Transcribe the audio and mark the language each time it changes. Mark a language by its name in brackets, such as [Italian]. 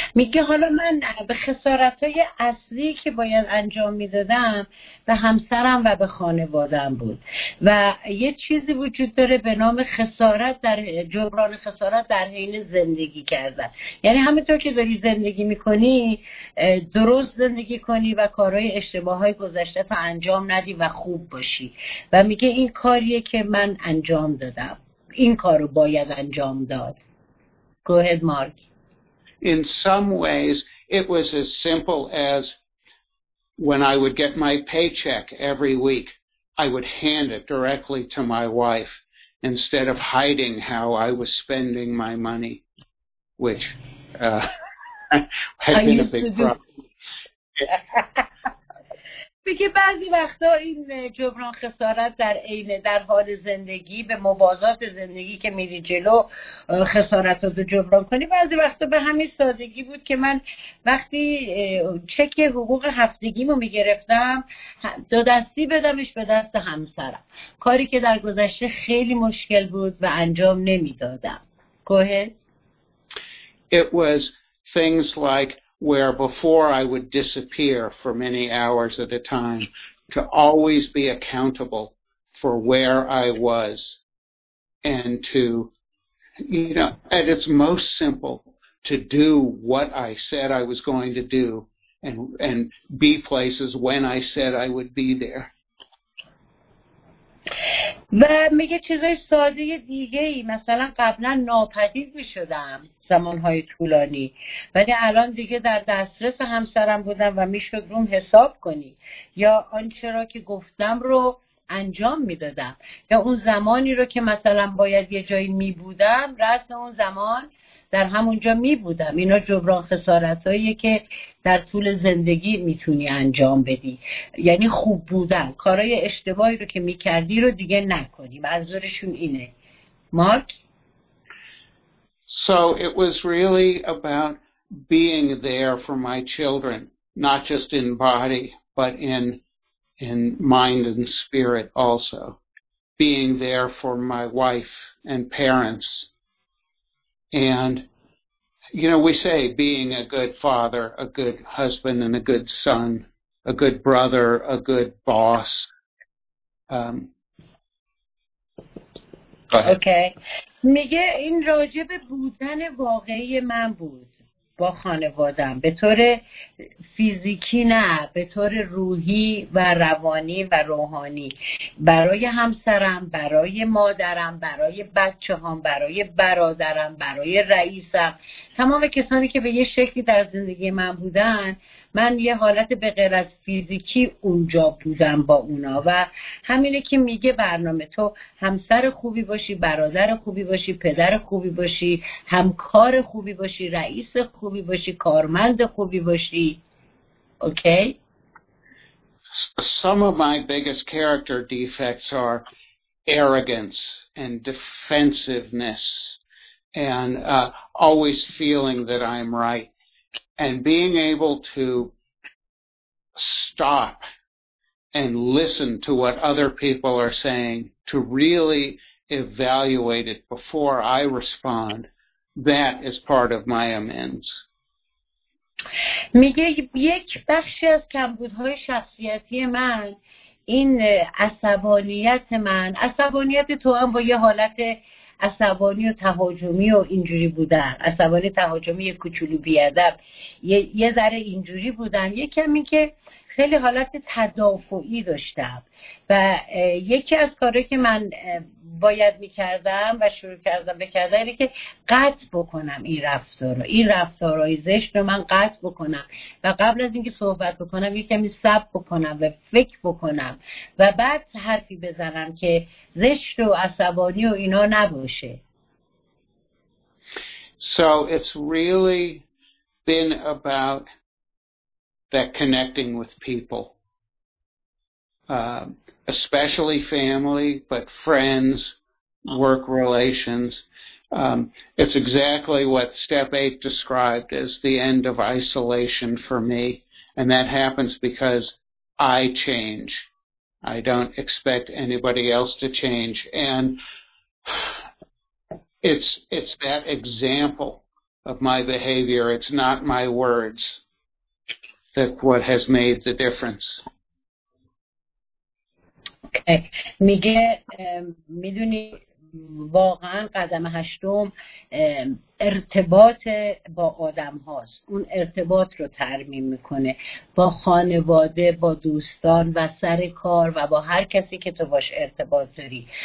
[Persian] میگه حالا من به خسارت‌های اصلی که باید انجام میدادم به همسرم و به خانواده‌ام بود و یه چیزی وجود داره به نام خسارت در جبران خسارت در حین زندگی کردن. یعنی همینطور که داری زندگی میکنی درست زندگی کنی و کارهای اشتباه‌های گذشته رو انجام ندی و خوب باشی. و میگه این کاریه که من انجام دادم، این کارو باید انجام داد. [English] Go ahead, Mark. In some ways, it was as simple as when I would get my paycheck every week, I would hand it directly to my wife instead of hiding how I was spending my money, which had been a big problem. [Persian] که بعضی وقتا این جبران خسارت در عینه در حال زندگی به موازات زندگی که میری جلو خسارت رو جبران کنی، بعضی وقتا به همین سادگی بود که من وقتی چک حقوق هفتگیمو میگرفتم دو دستی بدمش به دست همسرم، کاری که در گذشته خیلی مشکل بود و انجام نمیدادم. گوه [English] It was things like where before I would disappear for many hours at a time, to always be accountable for where I was and to, you know, at its most simple, to do what I said I was going to do and be places when I said I would be there. [Persian] و میگه چیزای ساده دیگه ای، مثلا قبلا ناپدید می شدم زمانهای طولانی، ولی الان دیگه در دسترس همسرم بودم و می شد روم حساب کنی، یا آنچرا که گفتم رو انجام می دادم، یا اون زمانی رو که مثلا باید یه جایی می بودم رسم اون زمان در همونجا می بودم. اینا جبران خسارت هاییه که در طول زندگی می تونی انجام بدی، یعنی خوب بودن، کارهای اشتباهی رو که می کردی رو دیگه نکنی. منظورشون اینه. [English] Mark? So it was really about being there for my children, not just in body, but in mind and spirit also. Being there for my wife and parents. And, you know, we say being a good father, a good husband, and a good son, a good brother, a good boss. Okay. [Persian] میگه این راجب بودن واقعی من بود با خانوادم، به طور فیزیکی نه، به طور روحی و روانی و روحانی، برای همسرم، برای مادرم، برای بچه هم، برای برادرم، برای رئیسم، تمام کسانی که به یه شکلی در زندگی من بودن، من یه حالت به غیر از فیزیکی اونجا بودم با اونا. و همینه که میگه برنامه، تو همسر خوبی باشی، برادر خوبی باشی، پدر خوبی باشی، همکار خوبی باشی، رئیس خوبی باشی، کارمند خوبی باشی. [English] Okay? Some of my biggest character defects are arrogance and defensiveness and always feeling that I'm right. And being able to stop and listen to what other people are saying, to really evaluate it before I respond, that is part of my amends. [Persian] میگه یک بخشی از کمبودهای شخصیتی من این عصبانیت من، عصبانیت تو هم با یه حالت عصبانی و تهاجمی و اینجوری بودن، عصبانی تهاجمی یه کوچولو بیادب، یه ذره اینجوری بودن، یه کمی که خیلی حالت تدافعی داشتم. و یکی از کارهایی که من باید میکردم و شروع کردم بکردم اینه که قطع بکنم این رفتارو، این رفتارهای زشت رو من قطع بکنم و قبل از اینکه صحبت بکنم یه کمی صبر بکنم و فکر بکنم و بعد حرفی بزنم که زشت و عصبانی و اینا نباشه. [English] So it's really been about that connecting with people. Especially family, but friends, work relations. It's exactly what step 8 described as the end of isolation for me. And that happens because I change. I don't expect anybody else to change. And it's that example of my behavior. It's not my words that what has made the difference. [Persian] میگه میدونی واقعا قدم هشتم ارتباط با آدم هاست، اون ارتباط رو ترمیم میکنه با خانواده، با دوستان و سر کار و با هر کسی که تو باش ارتباط داری.